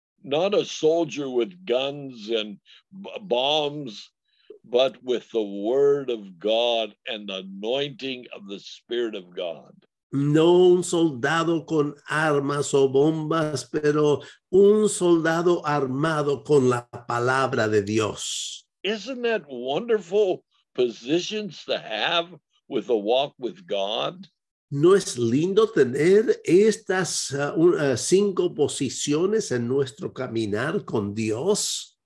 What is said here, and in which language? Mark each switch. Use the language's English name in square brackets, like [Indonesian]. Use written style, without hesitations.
[English] Not a soldier with guns and bombs, but with the word of God and the anointing of the Spirit of God. [Spanish] No un soldado con armas o bombas, pero un soldado armado con la palabra de Dios. [English] Isn't that wonderful positions to have with a walk with God? [Spanish] ¿No es lindo tener estas cinco posiciones en nuestro caminar con Dios?